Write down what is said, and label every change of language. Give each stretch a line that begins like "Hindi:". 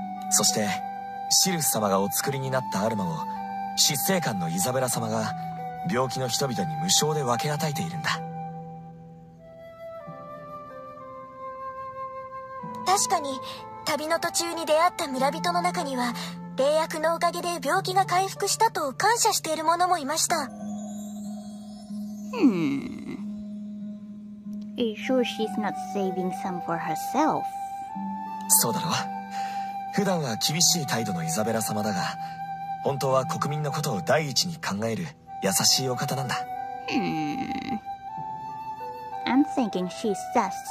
Japanese: そしてシルフ様がお作りになったアルマを執政官のイザベラ様が病気の人々に無償で分け与えているんだ。確かに旅の途中に出会った村人の中には霊薬のおかげで病気が回復したと感謝している者もいました。
English: Are you sure she's not saving some for herself?
Japanese: そうだろう。普段は厳しい態度のイザベラ様だが、本当は国民のことを第一に考える優しいお方なんだ。
English: I'm thinking she's just